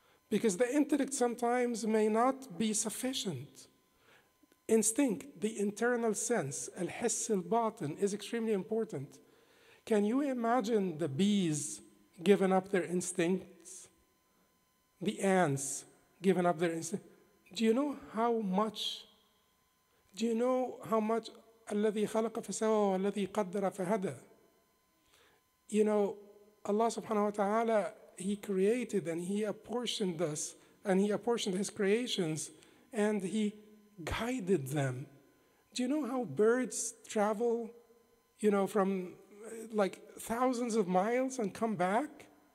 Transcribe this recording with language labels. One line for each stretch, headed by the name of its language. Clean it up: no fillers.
English: Because the intellect sometimes may not be sufficient. Instinct, the internal sense, al-hiss al-batin, is extremely important. Can you imagine the bees giving up their instincts? The ants giving up their instincts? Do you know how much
Arabic: الَّذِي خَلَقَ فَسَوَى وَالَّذِي قَدَّرَ فَهَدَى?
English: You know, Allah subhanahu wa ta'ala, He created and He apportioned us and He apportioned His creations and He guided them. Do you know how birds travel, you know, from like thousands of miles and come back?